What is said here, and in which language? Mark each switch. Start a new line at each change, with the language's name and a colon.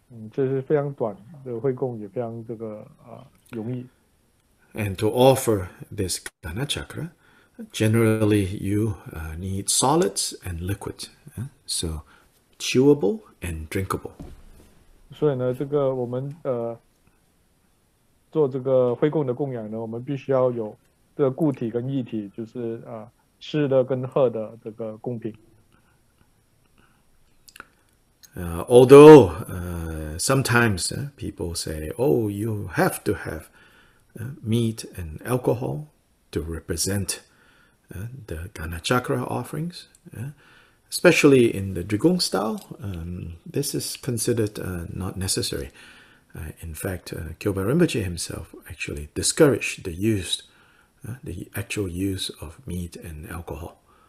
Chinese: 这是非常短的会供，也非常这个容易。
English: And to offer this Gana Chakra. Generally, you need solids and liquids, so chewable and drinkable.
Chinese: 所以呢，这个我们做这个会供的供养呢，我们必须要有这个固体跟液体，就是湿的跟喝的这个供品。
English: Although sometimes people say, "Oh, you have to have meat and alcohol to represent." the Gana Chakra offerings, especially in the Drigong style. This is considered not necessary. In fact, Gyoba Rinpoche himself actually discouraged the use, the actual use of meat and alcohol.